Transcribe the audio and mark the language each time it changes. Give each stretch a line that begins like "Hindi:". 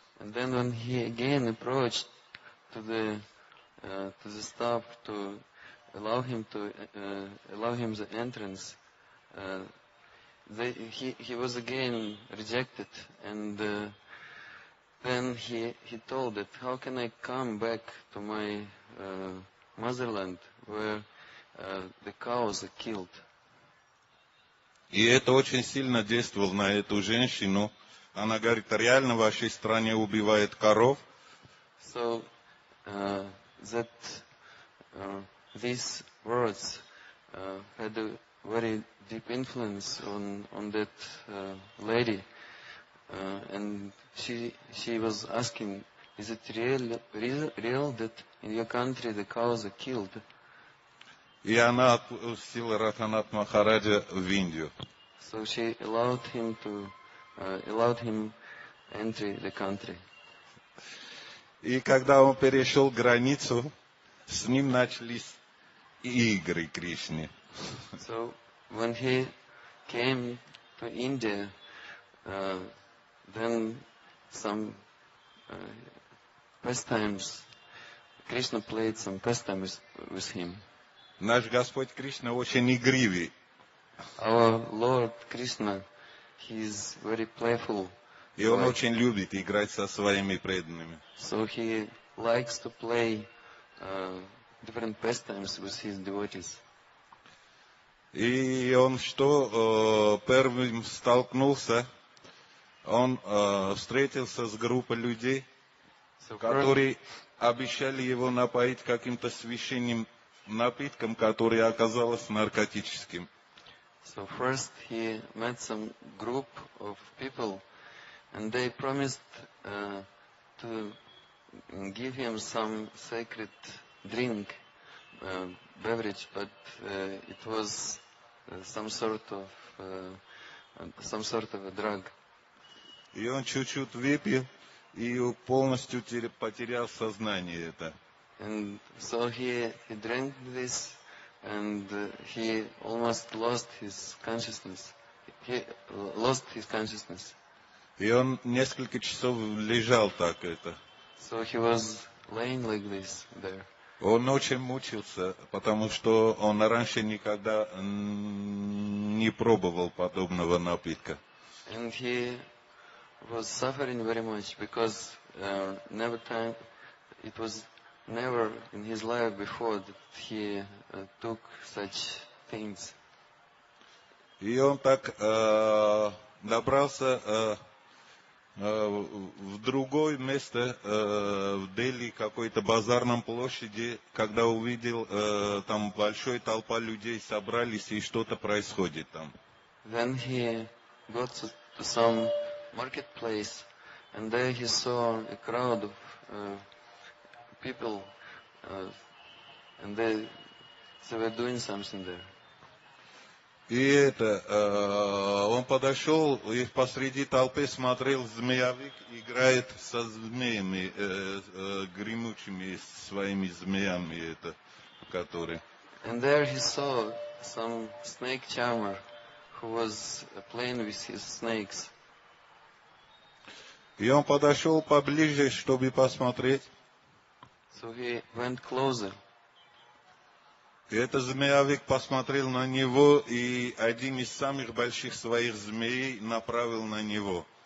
English: And then when he again approached to the staff to allow him to allow him the entrance, he was again rejected. And then he told that, how can I come back to my motherland where the cows are killed.
Russian: И это очень сильно действовало на эту женщину. Она говорит, реально в вашей стране убивает коров.
English: So that these words had a very deep influence on that lady, and she was asking, is it real that in your country the cows are killed?
Russian: И она отпустила Радханат Махараджа в Индию.
English: So she allowed him to allowed him enter the country.
Russian: И когда он перешел границу, с ним начались игры Кришны.
English: So when he came to India, then some pastimes, Krishna played some pastimes with him.
Russian: Наш Господь Кришна очень игривый.
English: Our Lord Krishna, he is very playful.
Russian: И он очень любит играть со своими преданными.
English: So he likes to play different pastimes with his devotees.
Russian: И он что первым столкнулся? Он встретился с группой людей, so которые обещали его напоить каким-то священным напитком, который оказался наркотическим.
English: So first he met some group of people, and they promised to give him some sacred drink, beverage, but it was some sort of a drug.
Russian: И он чуть-чуть выпил и полностью потерял сознание это.
English: And so he drank this, and he almost lost his consciousness. He lost his consciousness.
Russian: И он несколько часов лежал так это.
English: So he was laying like this there.
Russian: Он очень мучился, потому что он раньше никогда не пробовал подобного напитка.
English: And he was suffering very much because never in his life before that he took such things.
Russian: И он так добрался в другое место в Дели, какой-то базарном площади, когда увидел там большой толпа людей собрались и что-то происходит там.
English: Then he got to some marketplace, and there he saw a crowd of people, and they were doing something there.
Russian: И это, он подошел и посреди толпы смотрел, змеявик играет со змеями, гремучими своими змеями, это, которые.
English: And there he saw some snake charmer who was playing with his snakes.
Russian: И он подошел поближе, чтобы посмотреть.
English: So he went closer.
Russian: И этот змеявик посмотрел на него, и один из самых больших своих змей направил на него.